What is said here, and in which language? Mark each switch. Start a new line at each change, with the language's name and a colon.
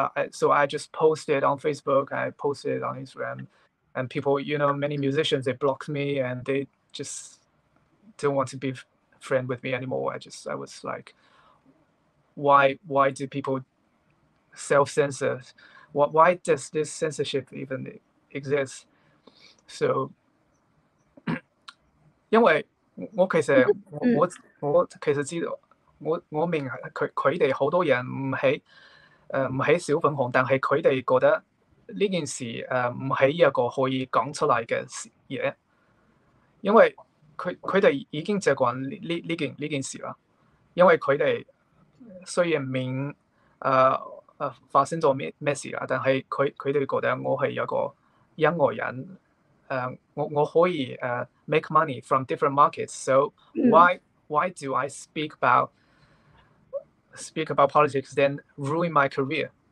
English: So I just posted on Facebook, I posted on Instagram, and people, you know, many musicians they blocked me and they just don't want to be friend with me anymore. I was like, why do people self-censor? Why does this censorship even exist?
Cantonese: So，因为我其实我其实知道，我明佢哋好多人唔喺小粉红，但系佢哋觉得呢件事唔系一个可以讲出来嘅事嘢，因为佢哋已经习惯呢件事啦，因为佢哋虽然明发生咗咩事啦，但系佢哋觉得我系一个音乐人。我可以
English: make money from different markets. So why do I speak about politics then ruin my career?